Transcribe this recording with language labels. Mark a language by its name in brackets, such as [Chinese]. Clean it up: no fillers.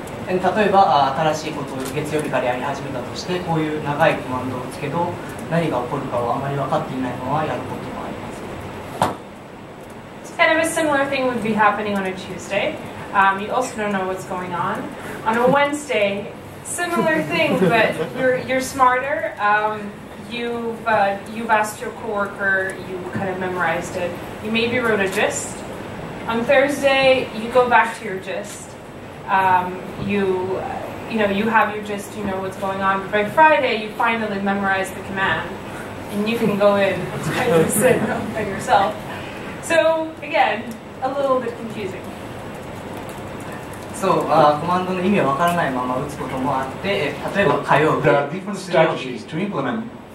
[Japanese] 例えば新しいことを月曜日からやり始めたとして、こういう長いコマンドを打つけど何が起こるかをあまり分かっていないままやること。 [English] Kind of a similar thing would be happening on a Tuesday. You also don't know what's going on. On a Wednesday, similar thing, but you're smarter. You've asked your coworker, you kind of memorized it. You maybe wrote a gist. On Thursday, you go back to your gist. You have your gist, you know what's going on. But by Friday, you finally memorize the command, and you can go in and type this in by yourself. So, again, a little bit confusing. [Japanese] So, コマンドの意味わからないまま打つこともあって、例えば火曜日、 [English] There are different strategies to implement.